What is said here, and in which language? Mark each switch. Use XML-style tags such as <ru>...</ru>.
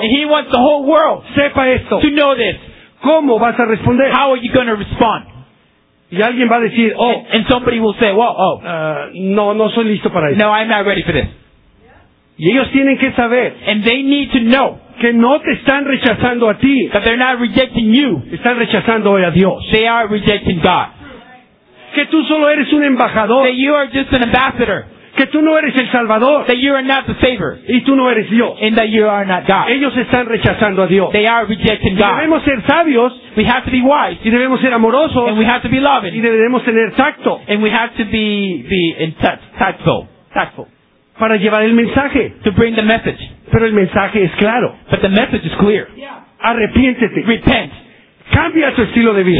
<en>And he wants the whole world.</en> <es>Sepa esto.</es> <en>To know this.</en> <es>¿Cómo vas a responder?</es> <en>How are you going to respond?</en> <es>Y alguien va a decir, oh.</es> <en>And somebody will say, well, oh.</en> <es>No, no soy listo para eso.</es> <en>No, I'm not ready for this.</en> <es>Y ellos tienen que saber.</es> <en>And they need to know.</en> <es>Que no te están rechazando a ti.</es> <en>That they're not rejecting you.</en> <es>Están rechazando hoy a Dios.</es> <en>They are rejecting God.</en> <es>Que tú solo eres un embajador.</es> <en>That you are just an ambassador.</en> <es>Que tú no eres el Salvador.</es> <en>That you are not the Savior.</en> <es>Y tú no eres Dios.</es> <en>And that you are not God.</en> <es>Ellos están rechazando a Dios.</es> <en>They are rejecting God.</en> <es>Y debemos ser sabios.</es> <en>We have to be wise.</en> <es>Y debemos ser amorosos.</es> <en>And we have to be loving.</en> <es>Y debemos tener tacto.</es> <en>And we have to be in touch, tactful. Tactful.</en> <es>Para llevar el mensaje.</es> <en>To bring the message.</en> <es>Pero el mensaje es claro.</es> <en>But the message is clear.</en> <es>Yeah. Arrepiéntete.</es> <en>Repent.</en> <es>Cambia tu estilo de vida.</es>